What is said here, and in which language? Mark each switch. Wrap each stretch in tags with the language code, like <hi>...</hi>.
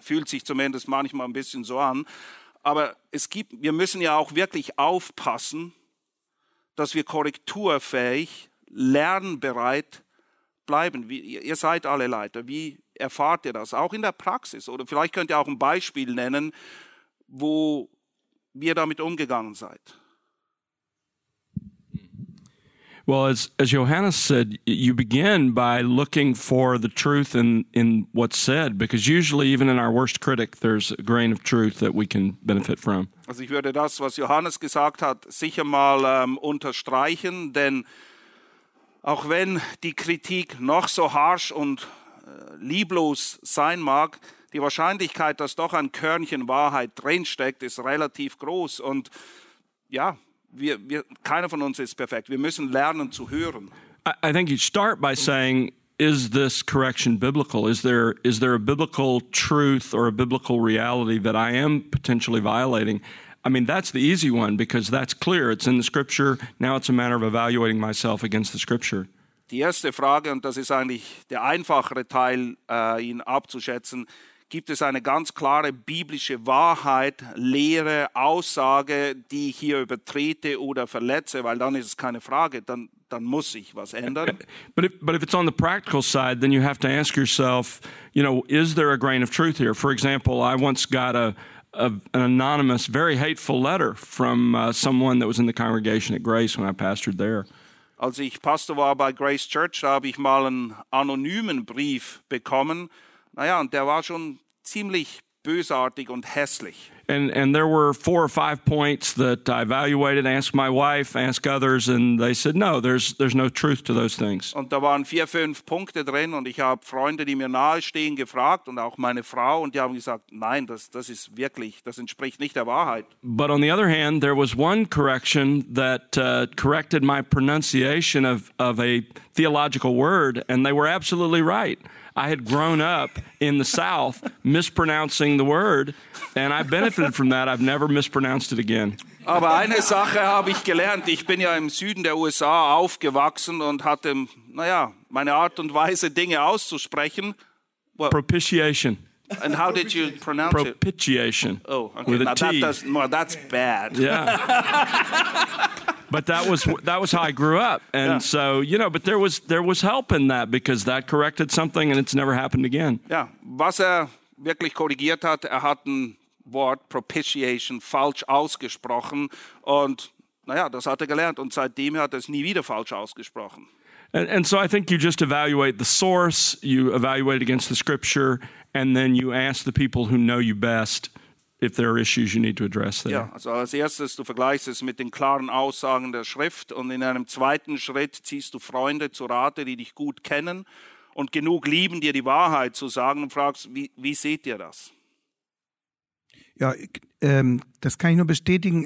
<de>Fühlt sich zumindest manchmal ein bisschen so an. Aber wir müssen ja auch wirklich aufpassen, dass wir korrekturfähig, lernbereit bleiben. Ihr seid alle Leiter. Wie erfahrt ihr das? Auch in der Praxis? Oder vielleicht könnt ihr auch ein Beispiel nennen, wo ihr damit umgegangen seid.</de> <en>Well, as Johannes said, you begin by looking for the truth in what's said, because usually even in our worst critic, there's a grain of truth that we can benefit from.</en> <de>Also ich würde das, was Johannes gesagt hat, sicher mal unterstreichen, denn auch wenn die Kritik noch so harsch und lieblos sein mag, die Wahrscheinlichkeit, dass doch ein Körnchen Wahrheit drinsteckt, ist relativ groß. Und ja, keiner von uns ist perfekt. Wir müssen lernen zu hören.</de> <en>I think you'd start by saying, is this correction biblical? Is there a biblical truth or a biblical reality that I am potentially violating? I mean, that's the easy one, because that's clear. It's in the Scripture. Now it's a matter of evaluating myself against the Scripture.</en> <de>Die erste Frage, und das ist eigentlich der einfachere Teil, ihn abzuschätzen, gibt es eine ganz klare biblische Wahrheit, Lehre, Aussage, die ich hier übertrete oder verletze? Weil dann ist es keine Frage, dann muss ich was ändern.</de> <en>But if it's on the practical side, then you have to ask yourself, you know, is there a grain of truth here? For example, I once got an anonymous, very hateful letter from someone that was in the congregation at Grace when I pastored there.</en> <de>Als ich Pastor war bei Grace Church, habe ich mal einen anonymen Brief bekommen. Naja, und der war schon ziemlich bösartig und hässlich.</de> <en>And there were four or five points that I evaluated, asked my wife, asked others, and they said, no, there's no truth to those things.</en> <de>Und da waren vier, fünf Punkte drin, und ich habe Freunde, die mir nahestehen, gefragt, und auch meine Frau, und die haben gesagt, nein, das ist wirklich, das entspricht nicht der Wahrheit.</de> <en>But on the other hand, there was one correction that corrected my pronunciation of a theological word, and they were absolutely right. I had grown up in the South mispronouncing the word, and I benefited from that. I've never mispronounced it again.</en> <de>Aber eine Sache habe ich gelernt. Ich bin ja im Süden der USA aufgewachsen und hatte, naja, meine Art und Weise, Dinge auszusprechen.</de> <en>Well, propitiation. And how did you pronounce propitiation. It? Propitiation. Oh, okay. With now a T. That's bad. Yeah. But that was how I grew up, and yeah. So you know. But there was help in that because that corrected something, and it's never happened again.</en> <de>Yeah, was wirklich korrigiert hat, hat ein Wort propitiation falsch ausgesprochen, und naja, das hat gelernt, und seitdem hat es nie wieder falsch ausgesprochen.</de> <en>And so I think you just evaluate the source, you evaluate against the scripture, and then you ask the people who know you best. If there are issues you need to address there.</en> <de>Ja, also als erstes, du vergleichst es mit den klaren Aussagen der Schrift, und in einem zweiten Schritt ziehst du Freunde zu Rate, die dich gut kennen und genug lieben, dir die Wahrheit zu sagen, und fragst, wie seht ihr das? Ja, das kann ich nur bestätigen.</de>